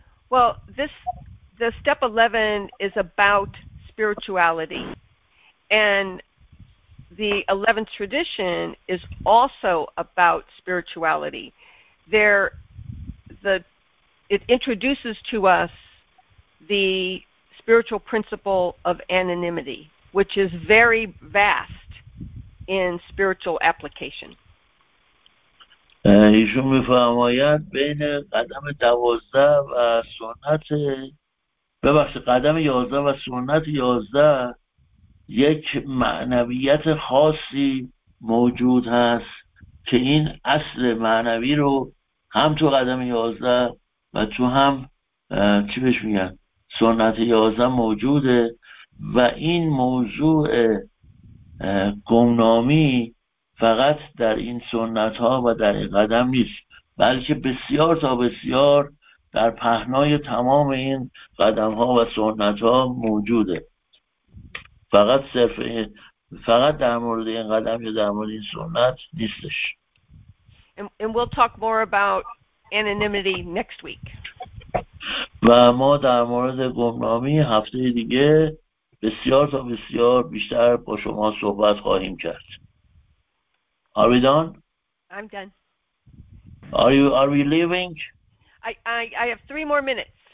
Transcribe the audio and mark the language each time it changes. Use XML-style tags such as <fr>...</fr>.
<en>Well, the step 11 is about spirituality, and the 11th tradition is also about spirituality. It introduces to us the spiritual principle of anonymity, which is very vast in spiritual application.</en> <fa>ایشون میفرماید بین قدم 12 و سنت، ببخشید قدم 11 و سنت 11 یک معنویت خاصی موجود هست که این اصل معنوی رو هم تو قدم 11 و تو هم چی بهش میگن سنت 11 موجوده، و این موضوع گمنامی فقط در این سنت ها و در این قدم نیست، بلکه بسیار تا بسیار در پهنای تمام این قدم ها و سنت ها موجوده. فقط در مورد این قدم یا در مورد این سنت نیستش.</fa> <en>And we'll talk more about anonymity next week.</en> <fa>و ما در مورد گمنامی هفته دیگه بسیار تا بسیار بیشتر با شما صحبت خواهیم کرد.</fa> <en>Are we done? I'm done. Are you leaving? I have three more minutes.</en>